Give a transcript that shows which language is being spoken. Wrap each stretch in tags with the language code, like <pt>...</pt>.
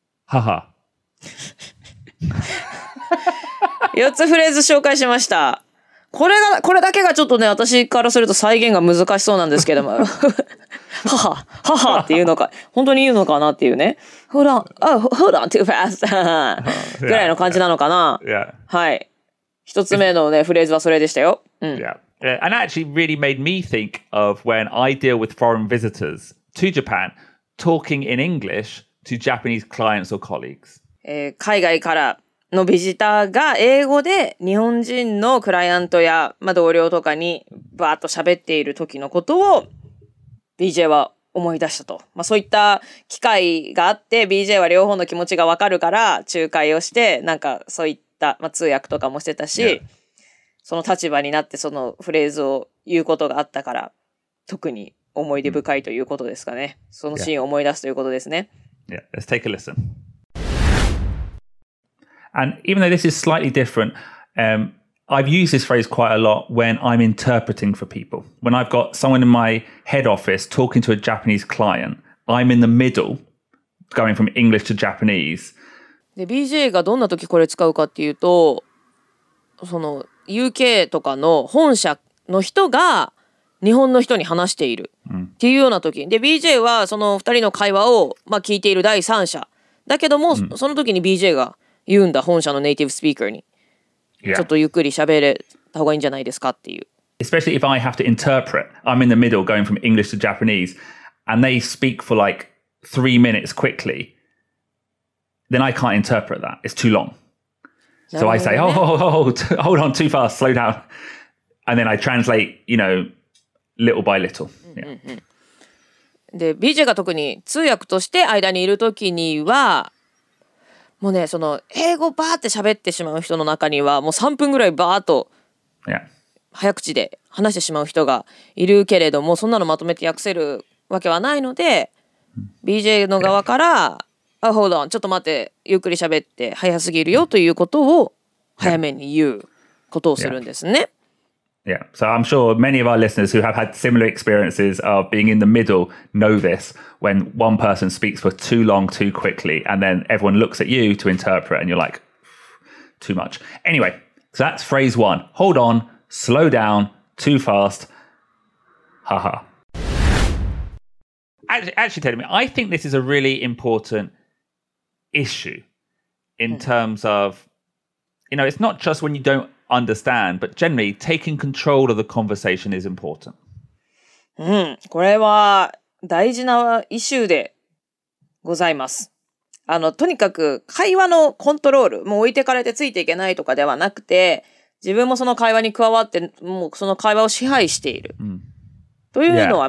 <ja>Ha ha. 4つフレーズ紹介しました。これが、これだけがちょっとね、私からすると再現が難しそうなんですけども。はは、ははっていうのか、本当に言うのかなっていうね。</ja> <en>Hold on, oh, hold on too fast.</en> <ja>ぐらいの感じなのかな。</ja> <en>Yeah.</en> <ja>はい。一つ目のね、フレーズはそれでしたよ。うん。</ja> <en>Yeah. And actually really made me think of when I deal with foreign visitors to Japan, talking in English to Japanese clients or colleagues.</en> <ja>海外からのビジターが英語で日本人のクライアントや、まあ、同僚とかにバーッと喋っている時のことを BJ は思い出したと、まあ、そういった機会があって BJ は両方の気持ちが分かるから仲介をしてなんかそういった、まあ、通訳とかもしてたし、yeah. その立場になってそのフレーズを言うことがあったから特に思い出深いということですかね、mm-hmm. そのシーンを思い出すということですね、</ja> <en>yeah. Let's take a listenAnd even though this is slightly different, I've used this phrase quite a lot when I'm interpreting for people. When I've got someone in my head office talking to a Japanese client, I'm in the middle, going from English to Japanese.</en> <ja>で、BJ がどんな時これ使うかっていうと、その UK とかの本社の人が日本の人に話しているっていうような時。で、BJ はその二人の会話を、まあ、聞いている第三者。だけども、うん、その時に BJ が言うんだ本社のネイティブスピーカーに、</ja> <en>yeah.</en> <ja>ちょっとゆっくり喋れた方がいいんじゃないですかっていう。</ja> <en>Especially if I have to interpret, I'm in the middle going from English to Japanese, and they speak for like 3 minutes quickly, then I can't interpret that. It's too long. So I say, oh, oh, oh, hold on, too fast, slow down, and then I translate, you know, little by little. Yeah.</en> <ja>で、BJ が特に通訳として間にいるときには。もうね、その英語バーって喋ってしまう人の中にはもう3分ぐらいバーっと早口で話してしまう人がいるけれども、そんなのまとめて訳せるわけはないので BJ の側から、yeah.</ja> <en>Oh, hold on.</en> <ja>ちょっと待って、ゆっくり喋って早すぎるよということを早めに言うことをするんですね。</ja> <en>Yeah. Yeah. So I'm sure many of our listeners who have had similar experiences of being in the middle know thisWhen one person speaks for too long, too quickly, and then everyone looks at you to interpret, and you're like, too much. Anyway, so that's phrase one. Hold on, slow down, too fast. Ha ha. Actually, tell me, I think this is a really important issue in terms of, you know, it's not just when you don't understand, but generally, taking control of the conversation is important.</en> <ja>これは大事なイシューでございます。あのとにかく会話のコントロールもう置いてかれてついていけないとかではなくて、自分もその会話に加わってもうその会話を支配している、というのは、</ja>